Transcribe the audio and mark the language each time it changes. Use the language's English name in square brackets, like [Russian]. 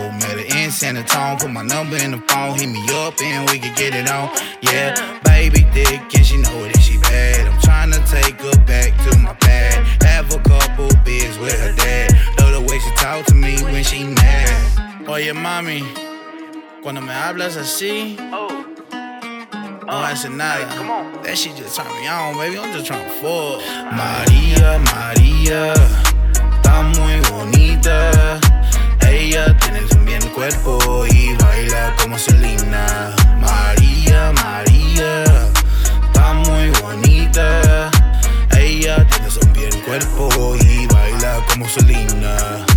[English] Met her in San Antonio, put my number in the phone. Hit me up and we can get it on. Yeah, baby thick and she know that she bad. I'm tryna take her back to my pad. Have a couple beers with her dad. Love the way she talk to me when she mad. [Spanish] Oye, mami, cuando me hablas así, oh, [English] I said, nah, come on. That shit just turned me on, baby. I'm just trying to fuck. [Spanish] María, María, está muy bonita. Ella tiene un bien cuerpo y baila como Selena. María, María, está muy bonita. Ella tiene un bien cuerpo y baila como Selena.